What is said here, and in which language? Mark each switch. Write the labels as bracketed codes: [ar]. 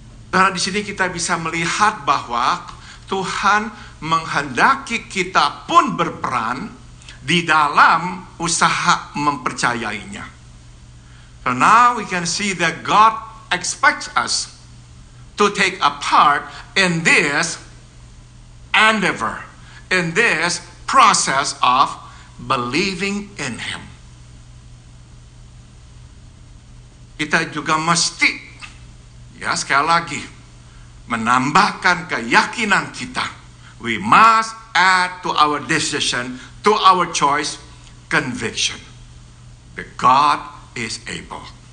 [id] Karena di sini kita bisa melihat bahwa Tuhan menghendaki kita pun berperan di dalam usaha mempercayainya. [en] So now we can see that God expects us to take a part in this endeavor, in this process of believing in him. [id] Kita juga mesti, ya sekali lagi, menambahkan keyakinan kita. [en] We must add to our decision, to our choice, conviction that God is able.